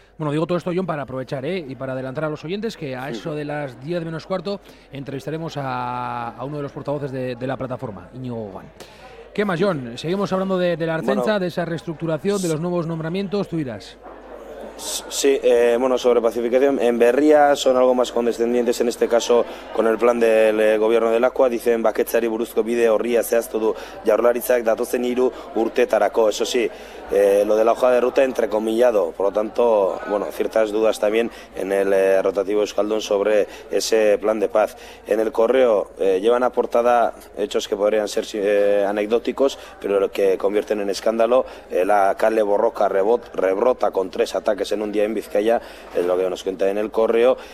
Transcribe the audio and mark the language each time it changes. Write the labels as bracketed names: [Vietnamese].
[Spanish] Bueno, digo todo esto, Jon, para aprovechar y para adelantar a los oyentes que a eso de las 10 menos cuarto entrevistaremos a uno de los portavoces de la plataforma, Íñigo Gogoan. ¿Qué más, Jon? Seguimos hablando de la Ertzaintza, bueno, de esa reestructuración, de los nuevos nombramientos, tú irás. Sí, bueno, sobre pacificación, en Berria son algo más condescendientes en este caso con el plan del gobierno de Lakua. [Basque] Dicen: baketzari buruzko bide horria zehaztu du Jaurlaritzak datozen hiru urteetarako. [Spanish] Eso sí, lo de la hoja de ruta entrecomillado, por lo tanto, bueno, ciertas dudas también en el rotativo Euskaldun sobre ese plan de paz. En el correo llevan a portada hechos que podrían ser anecdóticos, pero lo que convierten en escándalo: la kale borroka rebrota con tres ataques que es en un día en Vizcaya, es lo que nos cuenta en el correo.